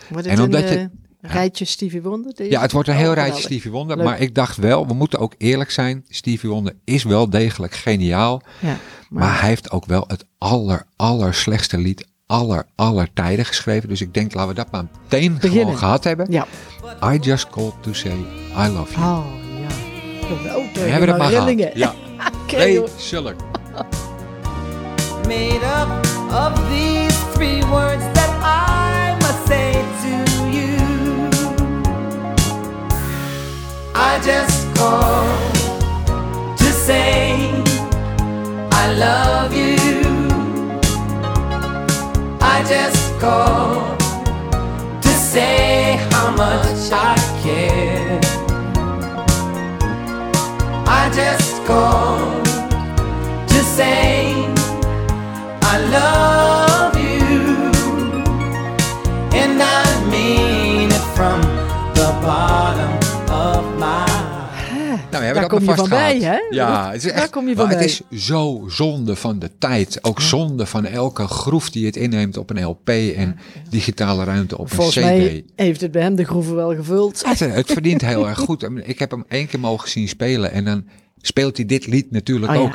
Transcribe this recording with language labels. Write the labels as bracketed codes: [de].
[nl] Wordt het en omdat een, je rijtje Stevie Wonder? Ja, het wordt een heel rijtje Stevie Wonder. Leuk. Maar ik dacht wel, we moeten ook eerlijk zijn. Stevie Wonder is wel degelijk geniaal. Ja, maar hij heeft ook wel het aller slechtste lied aller tijden geschreven. Dus ik denk, laten we dat maar meteen beginnen. Gewoon gehad hebben. Ja. [en] I just called to say I love you. [nl] Oh ja. We hebben het maar rillingen. Gehad. Ja. Ray Schiller. [en] Made up of these three words that I must say to you. I just called to say I love you. I just called to say how much I care. I just called to say I love you, and I mean it from the bottom of my heart. [nl] Nou, daar kom je van bij, hè? Ja, daar kom je van bij. Het is zo zonde van de tijd, ook zonde van elke groef die het inneemt op een LP en digitale ruimte op Volgens een CD. Volgens mij heeft het bij hem de groeven wel gevuld. Het verdient heel erg goed. Ik heb hem één keer mogen zien spelen en dan speelt hij dit lied natuurlijk ook.